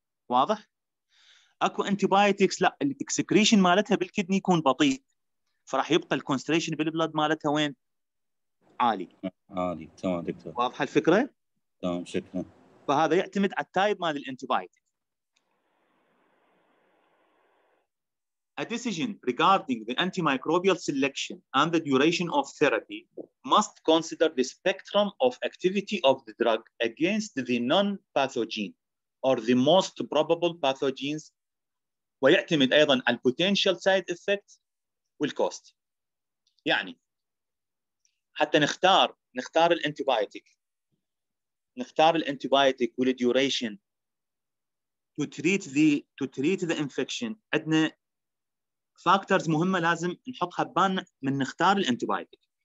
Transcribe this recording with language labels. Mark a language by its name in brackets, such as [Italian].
[Arabic] واضح؟ أكو أنتيبايوتكس لا، الإكسكريشن مالتها بالكدني يكون بطيء، فراح يبقى الكونستريشن بالبلد مالتها وين؟ عالي. عالي، تمام دكتور. واضح الفكرة؟ تمام شكرا. فهذا يعتمد على التايب مال الأنتيبايوتكس. [English] A decision regarding the antimicrobial selection and the duration of therapy must consider the spectrum of activity of the drug against the non-pathogen or the most probable pathogens. [Arabic] ويعتمد أيضا على [English] potential side effects [Arabic] والcost. يعني حتى نختار الانتيبيوتيك، نختار الانتيبيوتيك والduration [English] to treat the infection. [Arabic] عندنا فاكتورز مهمة لازم نحطها ببالنا من نختار الانتيبايوتيك.